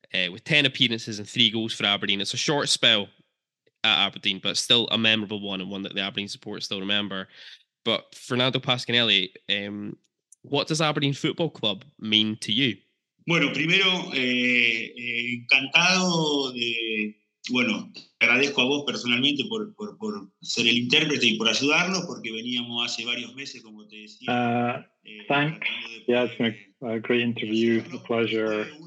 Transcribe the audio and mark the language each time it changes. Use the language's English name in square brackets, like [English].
[English] With 10 appearances and 3 goals for Aberdeen, it's a short spell at Aberdeen, but still a memorable one and one that the Aberdeen support still remember. But Fernando Pasquinelli, What does Aberdeen Football Club mean to you? [Spanish] Bueno, primero, encantado de... Bueno, agradezco a vos personalmente por ser el intérprete y por ayudarnos, porque veníamos hace varios meses, como te decía. [English] Thanks. Yeah, it's been a great interview, a pleasure.